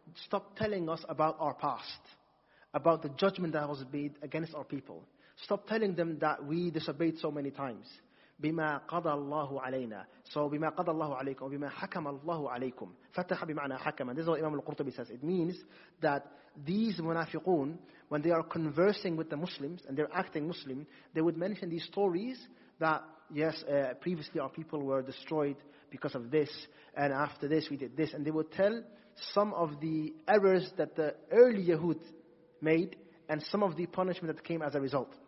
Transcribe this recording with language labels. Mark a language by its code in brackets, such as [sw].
[en] Stop telling us about our past, about the judgment that was made against our people. Stop telling them that we disobeyed so many times. [ar] بما قضى الله علينا. So بما قضى الله عليكم بما حكم الله عليكم. فتح بمعنى حكم. [en] This is what Imam al-Qurtubi says. It means that these munafiqun, when they are conversing with the Muslims and they're acting Muslim, they would mention these stories that yes, previously our people were destroyed because of this, and after this we did this, and they would tell some of the errors that the early Yahud made and some of the punishment that came as a result.